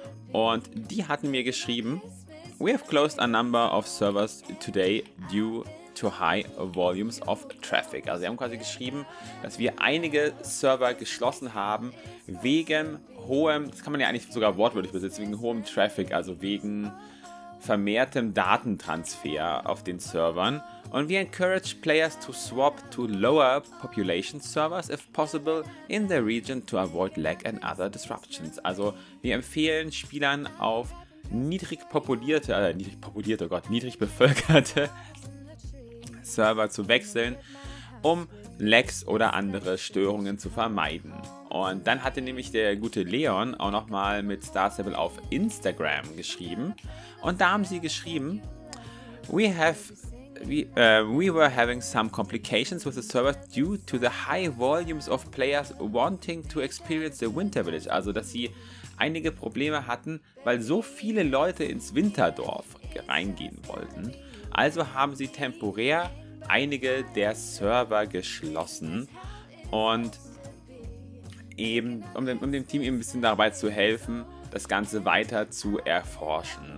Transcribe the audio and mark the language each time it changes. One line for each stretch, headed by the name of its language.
German: Und die hatten mir geschrieben,
English: we have closed a number of servers today due to high volumes of traffic.
German: Also sie haben quasi geschrieben, dass wir einige Server geschlossen haben wegen hohem, das kann man ja eigentlich sogar wortwörtlich besitzen, wegen hohem Traffic, also wegen vermehrtem Datentransfer auf den Servern. Und
English: we encourage players to swap to lower population servers if possible in the region to avoid lag and other disruptions.
German: Also wir empfehlen Spielern auf niedrig bevölkerte Server zu wechseln, um Lags oder andere Störungen zu vermeiden. Und dann hatte nämlich der gute Leon auch nochmal mit Star Stable auf Instagram geschrieben. Und da haben sie geschrieben,
English: We were having some complications with the server due to the high volumes of players wanting to experience the Winter Village.
German: Also, dass sie einige Probleme hatten, weil so viele Leute ins Winterdorf reingehen wollten. Also haben sie temporär einige der Server geschlossen und eben, um dem Team eben ein bisschen dabei zu helfen, das Ganze weiter zu erforschen.